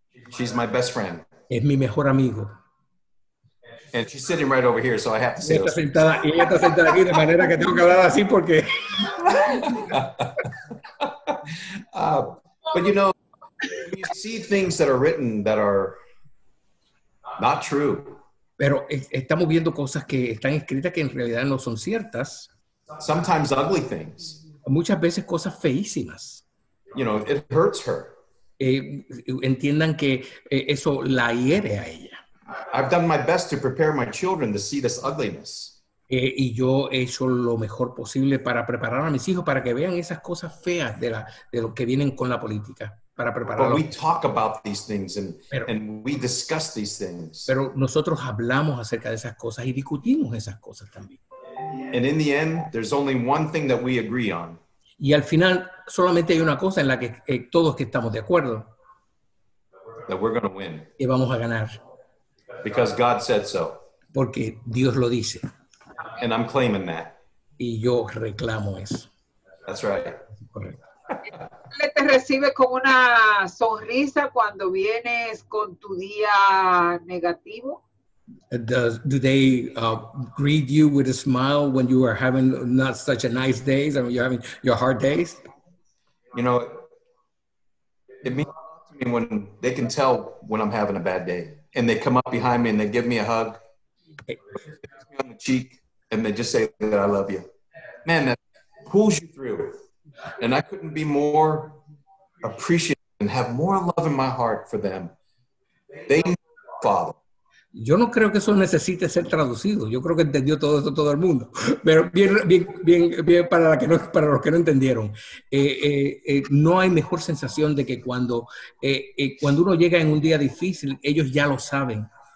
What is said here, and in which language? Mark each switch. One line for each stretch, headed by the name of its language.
English: She's my best friend.
Spanish: Es mi mejor amigo.
English: And she's sitting right over here, so I have to say this.
Spanish: Ella está sentada aquí, de manera que tengo que hablar así porque...
English: but you know, you see things that are written that are not true.
Spanish: Pero estamos viendo cosas que están escritas que en realidad no son ciertas.
English: Sometimes ugly things.
Spanish: Muchas veces cosas feísimas.
English: You know, it hurts her.
Spanish: Entiendan que eso la hiere a ella.
English: I've done my best to prepare my children to see this ugliness.
Spanish: Y yo he hecho lo mejor posible para preparar a mis hijos para que vean esas cosas feas de lo que vienen con la política. Para prepararlos.
English: But we talk about these things and we discuss these things.
Spanish: Pero nosotros hablamos acerca de esas cosas y discutimos esas cosas también.
English: And in the end, there's only one thing that we agree on.
Spanish: Y al final, solamente hay una cosa en la que todos que estamos de acuerdo.
English: That we're going to win.
Spanish: Y vamos a ganar.
English: Because God said so.
Spanish: Porque Dios lo dice.
English: And I'm claiming that.
Spanish: Y yo reclamo eso.
English: That's right.
Spanish: Correcto. Te recibe con una sonrisa cuando vienes con tu día negativo.
English: Do they greet you with a smile when you are having not such a nice day? I mean, you're having your hard days? You know, it means a lot to me when they can tell when I'm having a bad day. And they come up behind me and they give me a hug. They kiss me on the cheek and they just say that I love you. Man, that pulls you through. And I couldn't be more appreciative and have more love in my heart for them. They know Father.
Spanish: Yo no creo que eso necesite ser traducido. Yo creo que entendió todo esto todo el mundo. Pero bien para los que no entendieron. No hay mejor sensación de que cuando uno llega en un día difícil, ellos ya lo saben.